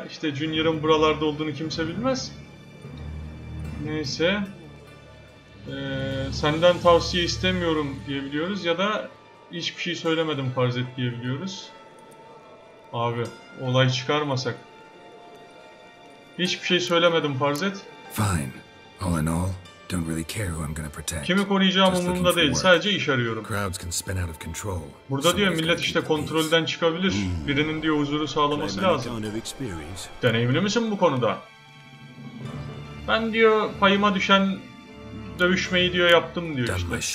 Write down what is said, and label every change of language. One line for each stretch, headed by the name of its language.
Turkish: İşte Junior'ın buralarda olduğunu kimse bilmez. Neyse. Senden tavsiye istemiyorum diyebiliyoruz ya da hiçbir şey söylemedim farz et diyebiliyoruz. Abi, olay çıkarmasak. Hiçbir şey söylemedim farz et.
English: Fine. All in all, don't really care who I'm gonna protect.
Turkish: Kimi koruyacağım umurumda değil, sadece iş arıyorum.
English: Crowds can spin out of control.
Turkish: Burada diyor millet işte kontrolden çıkabilir. Birinin diyor huzuru sağlaması lazım. Deneyimli misin bu konuda? Ben diyor payıma düşen dövüşmeyi diyor yaptım diyor işte.